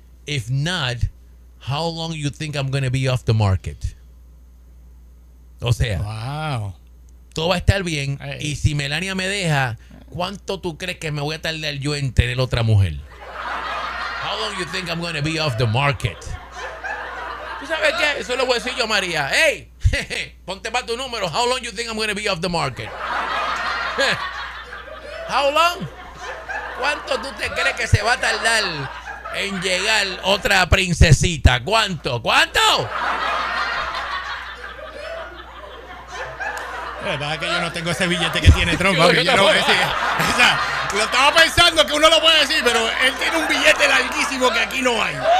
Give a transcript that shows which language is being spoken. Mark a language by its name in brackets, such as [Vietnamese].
[English] If not, how long you think I'm going to be off the market? [Spanish] O sea... Wow. Todo va a estar bien. Ay. Y si Melania me deja, ¿cuánto tú crees que me voy a tardar yo en tener otra mujer? [English] How long you think I'm going to be off the market? [Spanish] ¿Tú sabes qué? Eso lo voy a decir yo, María. Hey, ponte para tu número. [English] How long you think I'm going to be off the market? How long? [Spanish] ¿Cuánto tú te crees que se va a tardar en llegar otra princesita? ¿Cuánto? ¿Cuánto? La verdad es que yo no tengo ese billete que tiene Trump. Yo no voy a decir. Lo estaba pensando que uno lo puede decir, pero él tiene un billete larguísimo que aquí no hay.